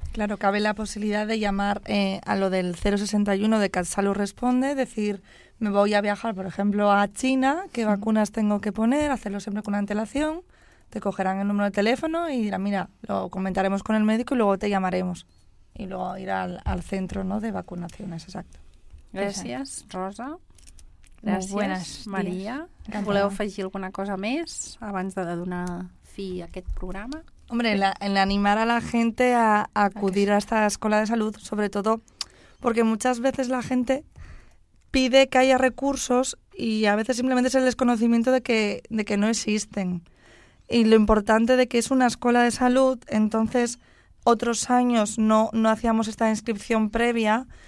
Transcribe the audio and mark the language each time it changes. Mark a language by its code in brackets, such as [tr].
[es] Claro, cabe la posibilidad de llamar a lo del 061 de Catsalud Responde, decir, me voy a viajar, por ejemplo, a China, ¿qué vacunas tengo que poner? Hacerlo siempre con antelación. Te cogerán el número de teléfono y dirán, mira, lo comentaremos con el médico y luego te llamaremos. Y luego ir al centro, ¿no?, de vacunaciones, exacto. [ca] Gràcies, Rosa. Gràcies, Maria. Voleu afegir alguna cosa més abans de donar fi a aquest programa? [es] Hombre, el animar a la gente a acudir a esta escuela de salud, sobre todo porque muchas veces la gente pide que haya recursos y a veces simplemente es el desconocimiento de que no existen. Y lo importante de que es una escuela de salud, entonces otros años no hacíamos esta inscripción previa.